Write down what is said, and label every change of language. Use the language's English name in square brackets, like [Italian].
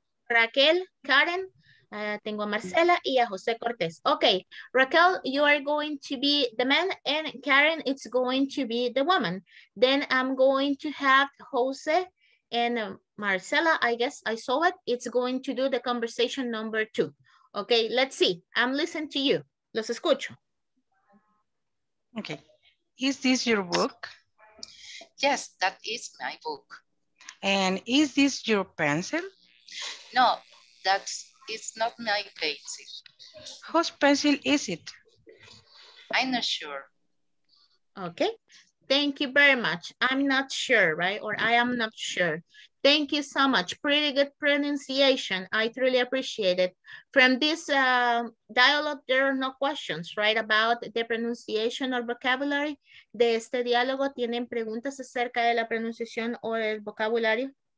[Spanish] Raquel, Karen, tengo a Marcela y a José Cortés. [English] Okay, Raquel, you are going to be the man and Karen, it's going to be the woman. Then I'm going to have José and Marcela, I guess I saw it. It's going to do the conversation number two. Okay, let's see. I'm listening to you. [Spanish] Los escucho. [English] Okay. Is this your book? Yes, that is my book. And is this your pencil? No, that's it's not my pencil. Whose pencil is it? I'm not sure. Okay, thank you very much. I'm not sure, right? Or I am not sure. Thank you so much. Pretty good pronunciation. I truly appreciate it. From this dialogue, there are no questions, right? About the pronunciation or vocabulary. [Spanish] De este diálogo, ¿tienen preguntas acerca de la pronunciación o el vocabulario?